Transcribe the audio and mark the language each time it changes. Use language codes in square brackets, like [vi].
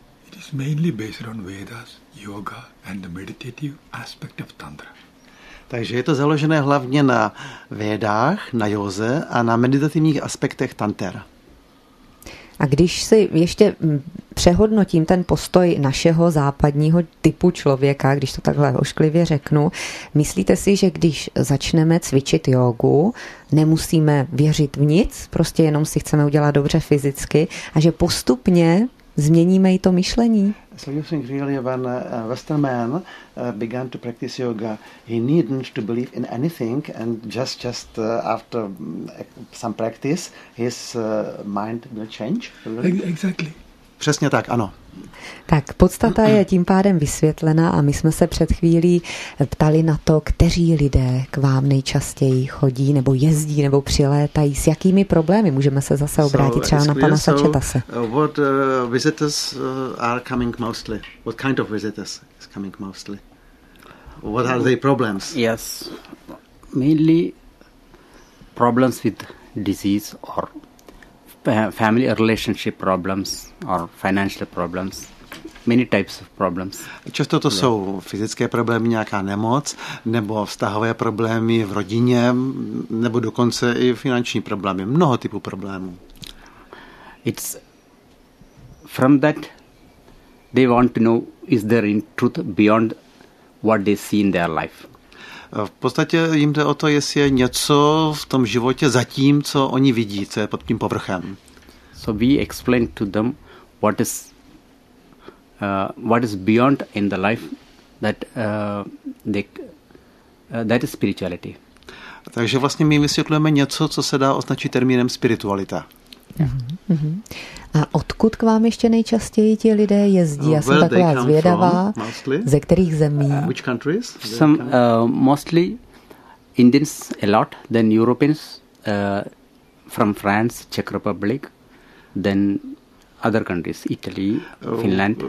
[en] It is mainly based on Vedas, yoga and the meditative aspect of Tantra. [cs] Takže je to založené hlavně na Vedách, na józe a na meditativních aspektech Tantra. A když si ještě přehodnotím ten postoj našeho západního typu člověka, když to takhle ošklivě řeknu, myslíte si, že když začneme cvičit jógu, nemusíme věřit v nic, prostě jenom si chceme udělat dobře fyzicky a že postupně změníme i to myšlení? [en] So you think really when a Western man began to practice yoga, he needn't to believe in anything, and just after some practice, his mind will change. Exactly. [cs] Přesně tak, ano. Tak, podstata je tím pádem vysvětlena a my jsme se před chvílí ptali na to, kteří lidé k vám nejčastěji chodí, nebo jezdí, nebo přilétají, s jakými problémy. Můžeme se zase obrátit třeba na pana Sačetase. [en] What visitors are coming mostly? What kind of visitors is coming mostly? What are the problems? Yes, mainly problems with disease or family relationship problems or financial problems, many types of problems. [cs] Často to jsou fyzické problémy, nějaká nemoc, nebo vztahové problémy v rodině, nebo dokonce i finanční problémy, mnoho typů problémů. [en] It's from that they want to know, is there in truth beyond what they see in their life. [cs] V podstatě jim jde o to, jestli je něco v tom životě za tím, co oni vidí, co je pod tím povrchem. [en] So we explain to them what is beyond in the life that is spirituality. [cs] Takže vlastně my vysvětlujeme něco, co se dá označit termínem spiritualita. Mm-hmm. A odkud k vám ještě nejčastěji ti lidé jezdí? Já jsem taková zvědavá. Ze kterých zemí? [en] Which countries? Some mostly Indians a lot, then Europeans from France, Czech Republic, then other countries, Italy, Finland.